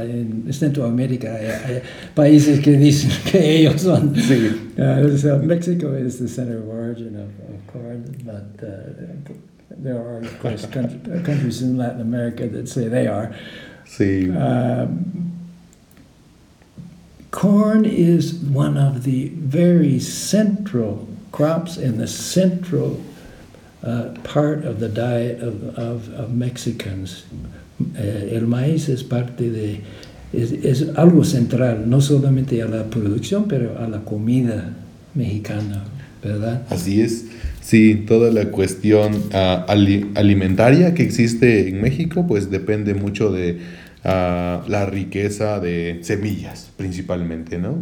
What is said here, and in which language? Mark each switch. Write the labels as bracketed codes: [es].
[es] En Centroamérica hay países que dicen que ellos son... Sí. [en] So Mexico is the center of origin of corn, but there are, of course, countries in Latin America that say they are. [es] Sí. [en] Corn is one of the very central crops and the central part of the diet of Mexicans. [es] El maíz es parte de, es algo central, no solamente a la producción, pero a la comida mexicana, ¿verdad? Así es, sí, toda la cuestión alimentaria que existe en México, pues depende mucho de la riqueza de semillas, principalmente, ¿no?